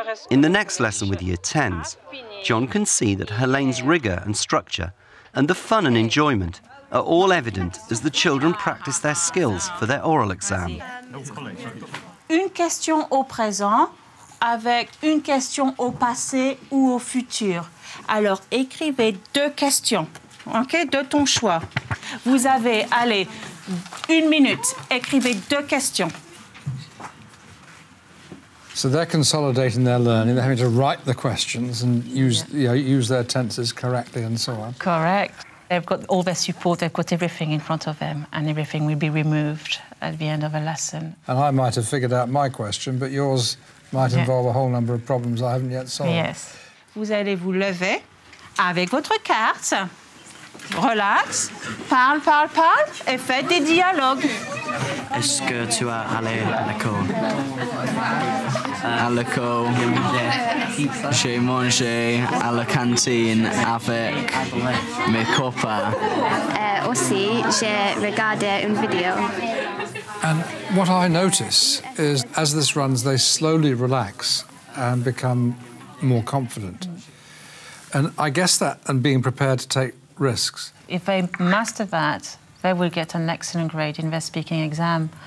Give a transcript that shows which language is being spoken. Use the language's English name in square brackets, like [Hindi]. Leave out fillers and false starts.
[English] In the next lesson with year 10s, John can see that Helene's rigour and structure and the fun and enjoyment are all evident as the children practice their skills for their oral exam. [French] Une question au présent avec une question au passé ou au futur. Alors, écrivez deux questions, OK, de ton choix. Vous avez, allez, une minute, écrivez deux questions. [English] So they're consolidating their learning, they're having to write the questions and use their tenses correctly and so on. Correct. They've got all their support, they've got everything in front of them, and everything will be removed at the end of a lesson. And I might have figured out my question, but yours might involve a whole number of problems I haven't yet solved. Yes. [French] Vous allez vous lever avec votre carte. Relax. Parle et faites des dialogues. Est-ce que tu as allé à l'école? À l'école, j'ai mangé à la cantine avec mes copains. Aussi, j'ai regardé une vidéo. [English] And what I notice is, as this runs, they slowly relax and become more confident. And I guess that, and being prepared to take risks. If they master that, they will get an excellent grade in their speaking exam.